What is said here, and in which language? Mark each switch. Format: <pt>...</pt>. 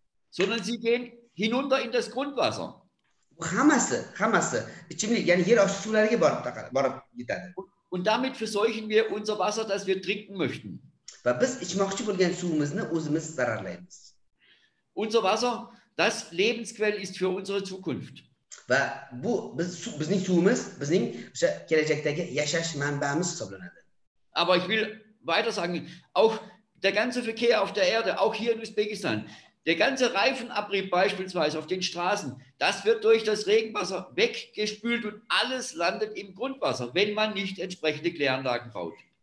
<de>Sondern sie gehen hinunter in das Grundwasser.</de> <uz>Hammasi ichimlik, ya'ni yer osti suvlariga borib yetadi.</uz> <de>Und damit verseuchen wir unser Wasser, das wir trinken möchten.</de> <uz>Va biz ichmoqchi bo'lgan suvimizni o'zimiz zararlaymiz.</uz> <de>Unser Wasser, das Lebensquelle ist für unsere Zukunft.</de> <uz>Va bu bizning suvimiz, bizning osha kelajakdagi yashash manbamiz hisoblanadi.</uz> <de>Aber ich will weiter sagen, auch der ganze Verkehr auf der Erde, auch hier in Usbekistan. Der ganze Reifenabrieb beispielsweise auf den Straßen, das wird durch das Regenwasser weggespült und alles landet im Grundwasser, wenn man nicht entsprechende Kläranlagen baut.</de>